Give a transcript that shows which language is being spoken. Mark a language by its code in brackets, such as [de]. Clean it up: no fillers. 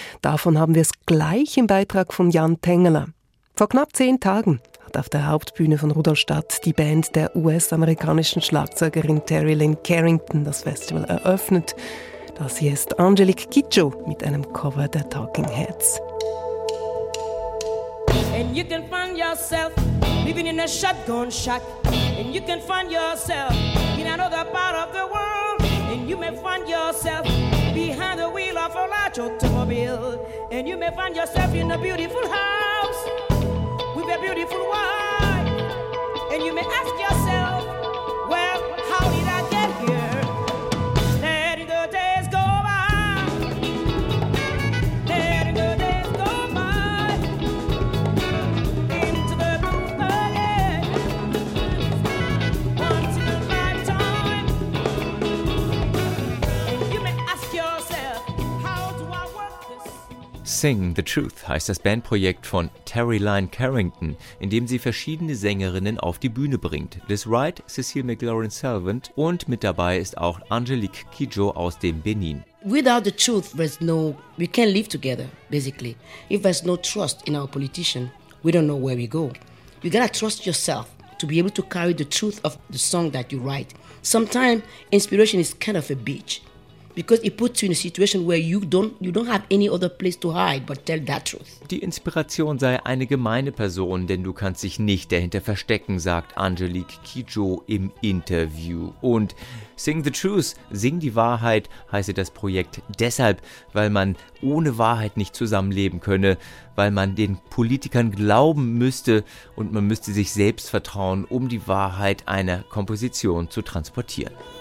[de] Davon haben wir es gleich im Beitrag von Jan Tengeler. Vor knapp 10 Tagen hat auf der Hauptbühne von Rudolstadt die Band der US-amerikanischen Schlagzeugerin Terry Lynn Carrington das Festival eröffnet. Das hier ist Angelique Kidjo mit einem Cover der Talking Heads. [en] And you can find yourself living in a shotgun shack. And you can find yourself in another part of the world. And you may find yourself behind the wheel of a large automobile. And you may find yourself in a beautiful house with a beautiful wife. And you may ask yourself, well, how did I get here? Letting the days go by. Letting the days go by. Into the booth again. Once in a lifetime. And you may ask yourself, how do I work this? [de] Sing the Truth heißt das Bandprojekt von Terry Lynn Carrington, indem sie verschiedene Sängerinnen auf die Bühne bringt. Liz Wright, Cecile McLaurin-Salvant und mit dabei ist auch Angelique Kidjo aus dem Benin. [en] Without the truth, there's no, we can't live together, basically. If there's no trust in our politician, we don't know where we go. You gotta trust yourself to be able to carry the truth of the song that you write. Sometimes inspiration is kind of a bitch, because it puts you in a situation where you don't have any other place to hide but tell that truth. [de] Die Inspiration sei eine gemeine Person, denn du kannst dich nicht dahinter verstecken, sagt Angelique Kidjo im Interview. Und Sing the Truth, sing die Wahrheit, heiße das Projekt deshalb, weil man ohne Wahrheit nicht zusammenleben könne, weil man den Politikern glauben müsste und man müsste sich selbst vertrauen, um die Wahrheit einer Komposition zu transportieren.